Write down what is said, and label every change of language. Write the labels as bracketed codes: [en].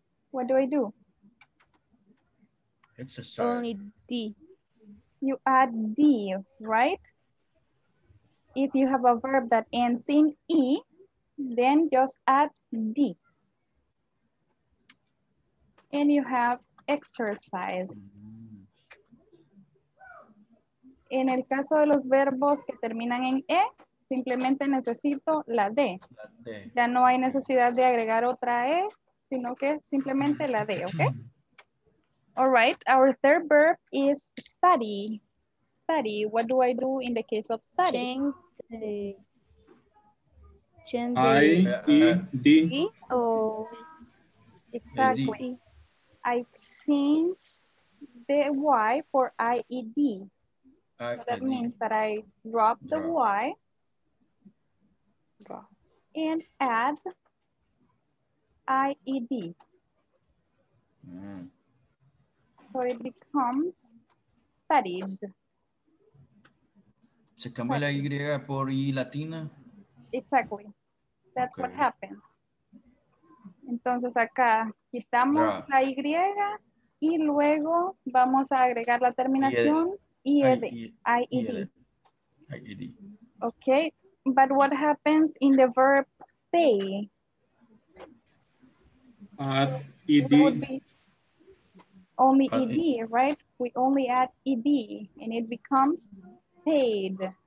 [en] What do I do? Exercise. Only D. You add D, right? If you have a verb that ends in E, then just add D. And you have exercise. [es] Mm-hmm. En el caso de los verbos que terminan en E, simplemente necesito la D. Ya no hay necesidad de agregar otra E, sino que simplemente la D, okay? [en] All right, our third verb is study. Study, what do I do in the case of studying? I, E, D. E? Oh, exactly. A, D. I change the Y for I, E, D. So that means that I drop the Y and add IED. So it becomes studied. [es] Se cambia la Y por I latina. [en] Exactly. That's what happens. [es] Entonces acá quitamos la Y y luego vamos a agregar la terminación. [en] IED. Okay, but what happens in the verb stay? ED. Only ED, right? We only add ED and it becomes stayed.